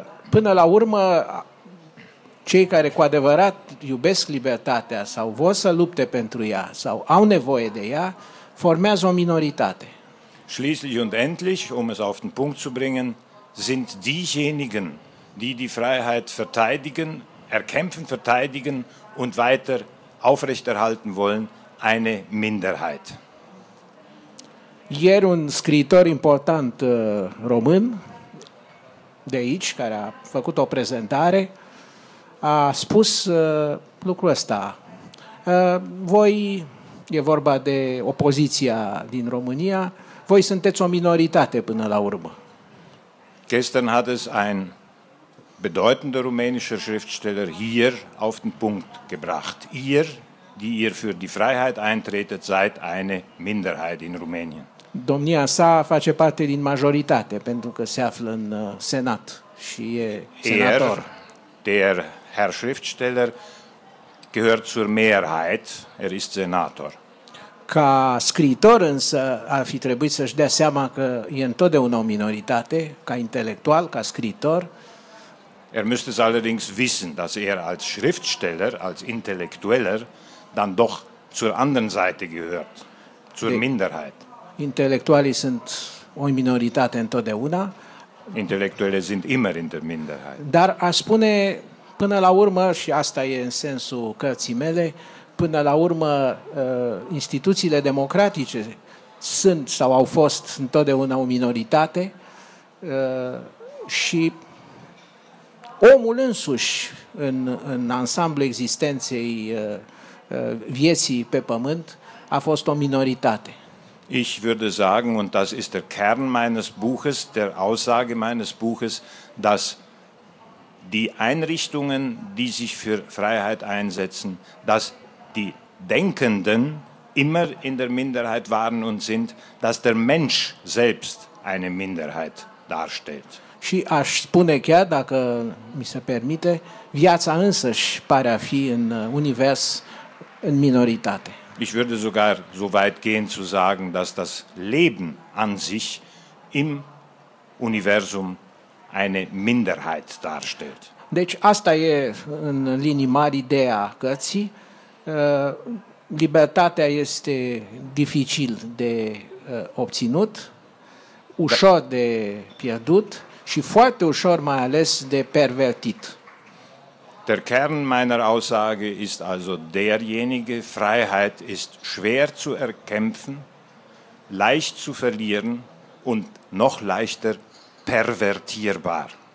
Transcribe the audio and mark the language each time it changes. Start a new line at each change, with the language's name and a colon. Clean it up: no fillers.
Romanian: Până la urmă, cei care cu adevărat iubesc libertatea sau vor să lupte pentru ea sau au nevoie de ea, formează o minoritate.
German: Schließlich und endlich, um es auf den Punkt zu bringen, sind diejenigen, die die Freiheit verteidigen, erkämpfen, verteidigen und weiter aufrechterhalten wollen, eine Minderheit.
Romanian: Ieri un scriitor important român de aici, care a făcut o prezentare, a spus lucrul ăsta. Voi, e vorba de opoziția din România, voi sunteți o minoritate până la urmă.
German: Gestern hat es ein bedeutender rumänischer Schriftsteller hier auf den Punkt gebracht. Ihr, die ihr für die Freiheit eintretet, seid eine Minderheit in Rumänien.
Romanian: Domnia sa face parte din majoritate, pentru că se află în Senat și e senator.
German: Der Herr Schriftsteller gehört zur Mehrheit, er ist Senator.
Romanian: Ca scriitor însă ar fi trebuit să-și dea seama că e întotdeauna o minoritate, ca intelectual, ca scriitor.
German: Er müsste es allerdings wissen, dass er als Schriftsteller, als Intellektueller, dann doch zur anderen Seite gehört, zur Minderheit.
Romanian: Intelectualii sunt o minoritate întotdeauna.
German: Intellektuelle sind immer in der Minderheit.
Romanian: Dar aș spune, până la urmă, și asta e în sensul cărții mele, până la urmă, instituțiile democratice sunt sau au fost întotdeauna o minoritate și omul însuși în ansamblu existenței vieții pe pământ a fost o minoritate.
German: Ich würde sagen, und das ist der Kern meines Buches, der Aussage meines Buches, dass die Einrichtungen, die sich für Freiheit einsetzen, dass die Denkenden immer in der Minderheit waren und sind, dass der Mensch selbst eine Minderheit darstellt.
Romanian: Și aș spune chiar, dacă mi se permite, viața însăși pare a fi în univers în minoritate.
German: Ich würde sogar so weit gehen zu sagen, dass das Leben an sich im Universum eine Minderheit darstellt.
Romanian: Deci asta e în linii mari ideea cărții. Libertatea este dificil de obținut, ușor de pierdut și foarte ușor mai ales de pervertit.
German: Der Kern meiner Aussage ist also derjenige, Freiheit ist schwer zu erkämpfen, leicht zu verlieren und noch leichter pervertierbar.